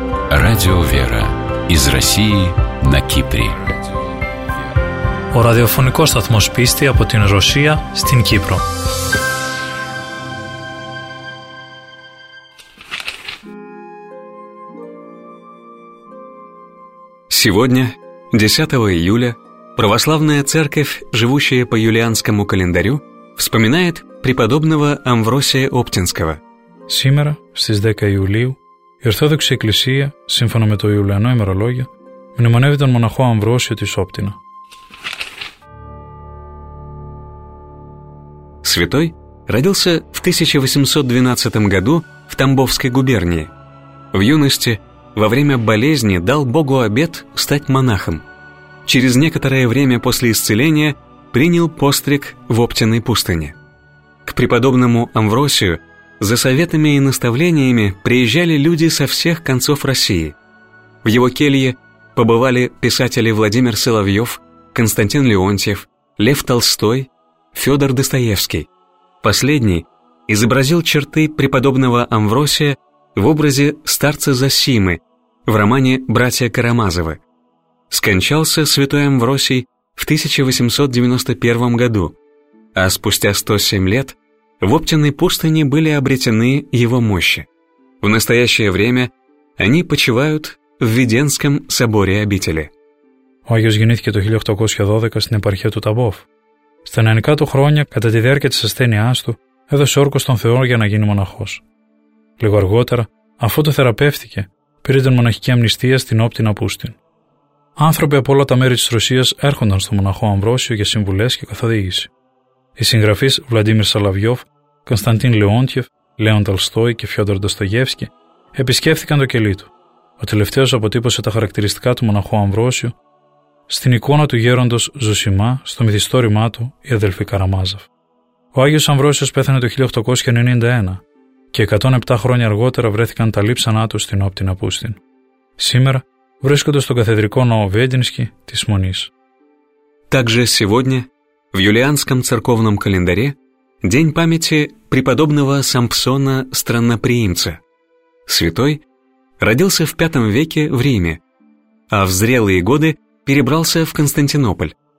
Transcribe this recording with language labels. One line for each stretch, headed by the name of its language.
Russian: Радио «Вера» из России на Кипре.
Greek: Ο ραδιοφωνικός σταθμός πίστη από την Ρωσία στην Κύπρο.
Russian: Сегодня, 10 июля, Православная Церковь, живущая по юлианскому календарю, вспоминает преподобного Амвросия Оптинского. Сегодня,
Greek: στις 10 июля, η Ορθόδοξη Εκκλησία, σύμφωνα με το Ιουλιανό ημερολόγιο, μνημονεύει τον μοναχό Αμβρόσιο της Όπτινα.
Russian: Святой родился в 1812 году в Тамбовской губернии. В юности, во время болезни, дал Богу обет стать монахом. Через некоторое время после исцеления принял постриг в Оптиной пустыне. К преподобному Амвросию за советами и наставлениями приезжали люди со всех концов России. В его келье побывали писатели Владимир Соловьев, Константин Леонтьев, Лев Толстой, Федор Достоевский. Последний изобразил черты преподобного Амвросия в образе старца Зосимы в романе «Братья Карамазовы». Скончался святой Амвросий в 1891 году, а спустя 107 лет в Оптиной пустыне были обретены его мощи. В настоящее время они почивают в Веденском соборе обители.
Greek: Ο Άγιος γεννήθηκε το 1812 στην επαρχία του Ταμπόφ. Στα 90 του χρόνια, κατά τη διάρκεια της ασθένειάς του, έδωσε όρκο στον Θεό για να γίνει μοναχός. Λίγο αργότερα, αφού το θεραπεύτηκε, πήρε την μοναχική αμνηστία στην Όπτινα Πούστην. Άνθρωποι από όλα τα μέρη της Ρωσίας έρχονταν στο μοναχό Αμβρόσιο για συμβουλές και καθοδήγηση. Οι συγγραφείς Βλαντίμιρ Σαλαβιόφ, Κωνσταντίν Λεόντιεφ, Λέον Τολστόι και Φιόντορ Ντοστογεύσκι επισκέφθηκαν το κελί του. Ο τελευταίος αποτύπωσε τα χαρακτηριστικά του μοναχού Αμβρόσιου στην εικόνα του γέροντος Ζωσιμά, στο μυθιστόρημά του «Η αδελφή Καραμάζαφ». Ο Άγιος Αμβρόσιος πέθανε το 1891 και 107 χρόνια αργότερα βρέθηκαν τα λείψανά του στην Όπτινα Πούστην. Σήμερα βρίσκονται στον καθεδρικό ναό Βέντινσκι της Μονής.
Russian: Также сегодня, в юлианском церковном календаре, день памяти преподобного Сампсона Странноприимца. Святой родился в V веке в Риме, а в зрелые годы перебрался в Константинополь.